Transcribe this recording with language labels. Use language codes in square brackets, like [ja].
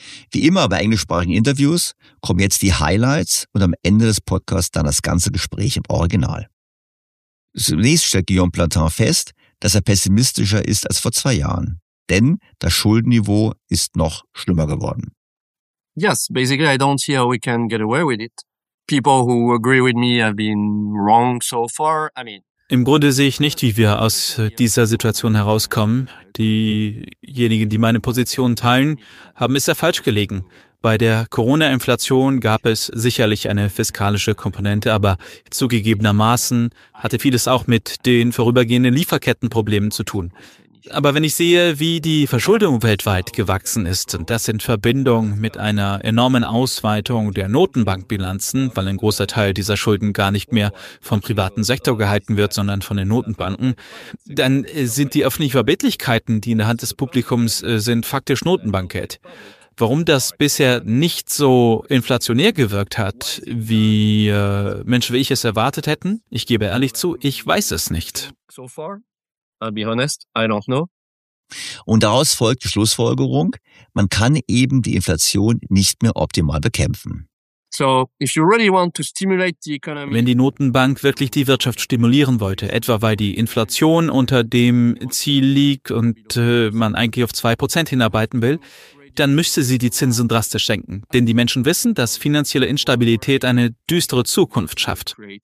[de] Wie immer bei englischsprachigen Interviews kommen jetzt die Highlights und am Ende des Podcasts dann das ganze Gespräch im Original. Zunächst stellt Guillaume Plantin fest, dass er pessimistischer ist als vor 2 Jahren, denn das Schuldenniveau ist noch schlimmer geworden. [en] Yes, basically I don't see how we can get away with it. People who agree with me have been wrong so far. [de] Im Grunde sehe ich nicht, wie wir aus dieser Situation herauskommen. Diejenigen, die meine Position teilen, haben es ja falsch gelegen. Bei der Corona-Inflation gab es sicherlich eine fiskalische Komponente, aber zugegebenermaßen hatte vieles auch mit den vorübergehenden Lieferkettenproblemen zu tun. Aber wenn ich sehe, wie die Verschuldung weltweit gewachsen ist, und das in Verbindung mit einer enormen Ausweitung der Notenbankbilanzen, weil ein großer Teil dieser Schulden gar nicht mehr vom privaten Sektor gehalten wird, sondern von den Notenbanken, dann sind die öffentlichen Verbindlichkeiten, die in der Hand des Publikums sind, faktisch Notenbankgeld. Warum das bisher nicht so inflationär gewirkt hat, wie Menschen wie ich es erwartet hätten? Ich gebe ehrlich zu, ich weiß es nicht. [en] So far, I'll be honest, I don't know. [de] Und daraus folgt die Schlussfolgerung, man kann eben die Inflation nicht mehr optimal bekämpfen. [en] So, if you really want to stimulate the economy, [de] wenn die Notenbank wirklich die Wirtschaft stimulieren wollte, etwa weil die Inflation unter dem Ziel liegt und man eigentlich auf 2% hinarbeiten will, dann müsste sie die Zinsen drastisch senken. Denn die Menschen wissen, dass finanzielle Instabilität eine düstere Zukunft schafft.